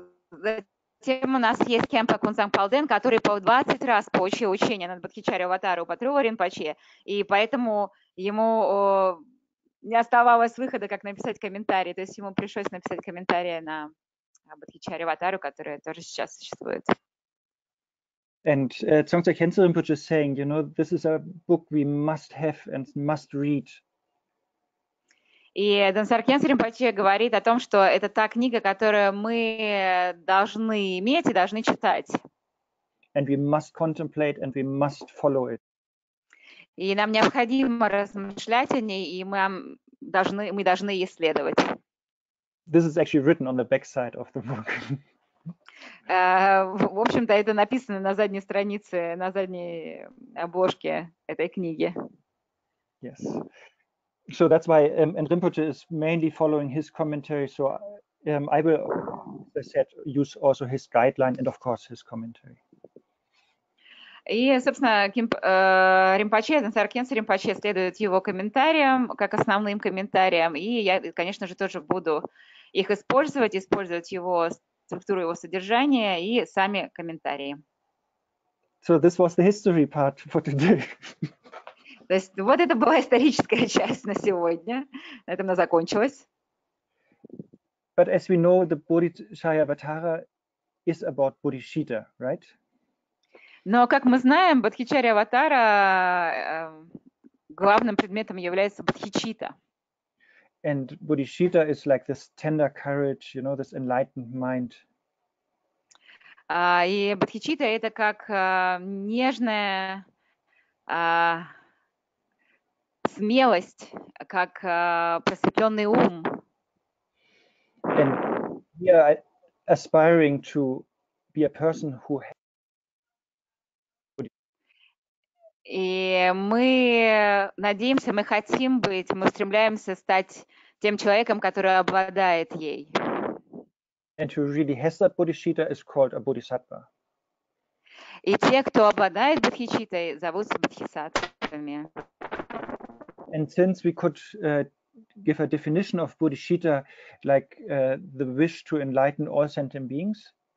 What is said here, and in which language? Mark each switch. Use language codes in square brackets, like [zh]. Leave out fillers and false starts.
[ru] Затем у нас есть Кемпа Кунсанг Палден, который по 20 раз получил учение над Бодхичари Аватару Патрула Ринпоче, и поэтому ему не оставалось выхода, как написать комментарий. То есть ему пришлось написать комментарий на Бодхичари Аватару, который тоже сейчас существует. [en] And Tsongtsa Khyentse Rinpoche is saying, you know, this is a book we must have and must read. [ru] И Донсар Кенсер Ринпоче говорит о том, что это та книга, которую мы должны иметь и должны читать. [en] And we must contemplate and we must follow it. [ru] И нам необходимо размышлять о ней, и мы должны исследовать. [en] This is actually written on the backside of the book. [ru] В общем-то, это написано на задней странице, на задней обложке этой книги. [en] Yes. So that's why and Rinpoche is mainly following his commentary. So I will, as I said, use also his guideline and of course his commentary. [ru] И, собственно, Ринпоче, Донсар Кенсе Ринпоче следует его комментариям, как основным комментариям, и я, конечно же, тоже буду их использовать его структуру, его содержание и сами комментарии. [en] So this was the history part for today. [ru] То есть вот это была историческая часть на сегодня. На этом она закончилась. [en] But as we know, the Bodhicitta Avatara is about Bodhicitta, right? [ru] Но, как мы знаем, Бодхичари Аватара главным предметом является Бодхичитта. [en] And Bodhicitta is like this tender courage, you know, this enlightened mind. [ru] И Бодхичитта это как нежная смелость, как просветленный ум. [en] And we are aspiring to be a person who has... [ru] И мы надеемся, мы хотим быть, мы стремляемся стать тем человеком, который обладает ей. [en] And who really has that bodhicitta is called a bodhisattva. [ru] И те, кто обладает бодхичиттой, зовутся бодхисаттвами. [en] And since we could give a definition of bodhicitta, like the wish to enlighten all sentient beings.